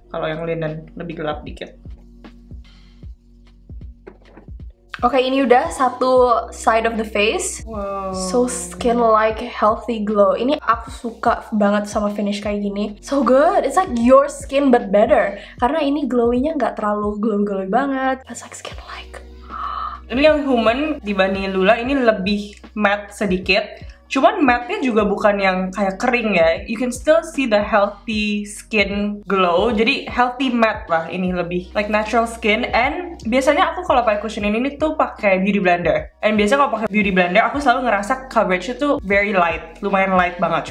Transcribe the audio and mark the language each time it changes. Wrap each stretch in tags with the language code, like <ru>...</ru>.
<id>Kalau yang linen lebih gelap dikit. Oke, ini udah satu</id> <en>side of the face. Wow. So skin like healthy glow.</en> <id>Ini aku suka banget sama finish kayak gini.</id> <en>So good. It's like your skin but better.</en> <id>Karena ini glowy-nya enggak terlalu glow-glowy banget.</id> <en>It's like skin like.</en> <id>Ini yang human dibanding Lula ini lebih matte sedikit. Cuman matte-nya juga bukan yang kayak kering ya.</id> <en>You can still see the healthy skin glow.</en> <id>Jadi healthy matte lah ini lebih.</id> <en>Like natural skin.</en> <id>And biasanya aku kalau pakai cushion ini tuh pakai beauty blender. And biasanya kalau pakai beauty blender aku selalu ngerasa coverage-nya tuh</id> <en>very light.</en> <id>Lumayan light banget.</id>